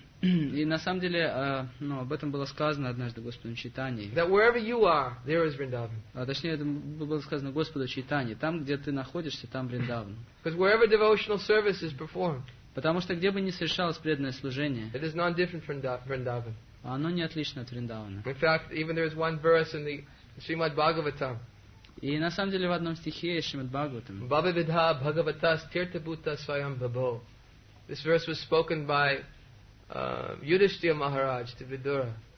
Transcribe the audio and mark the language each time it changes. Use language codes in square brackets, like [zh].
[ru] И на самом деле, об этом было сказано однажды Господу Чайтанье. [en] That wherever you are, there is Vrindavan. [ru] Точнее, это было сказано Господу Чайтанье. Там, где ты находишься, там Вриндаван. [en] Because wherever devotional service is performed. [ru] Потому что где бы ни совершалось преданное служение. [en] It is not different from Vrindavan. [ru] Оно не отлично от Вриндавана. [en] In fact, even there is one verse in the Srimad Bhagavatam. [ru] И на самом деле в одном стихе Шримад Бхагаватам. [sa] Баба Видха Бхагаватас Тиртабута Свайам Бабо. [en] This verse was spoken by Yudhishthira Maharaj to Vidura.